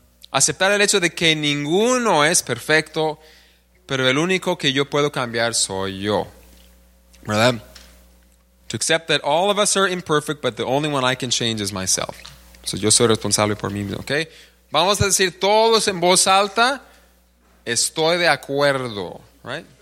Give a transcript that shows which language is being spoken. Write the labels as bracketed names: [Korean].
[Spanish] Aceptar el hecho de que ninguno es perfecto, pero el único que yo puedo cambiar soy yo. ¿Verdad? [English] To accept that all of us are imperfect, but the only one I can change is myself. [Spanish] So yo soy responsable por mí mismo, ¿okay? Vamos a decir todos en voz alta, estoy de acuerdo, right?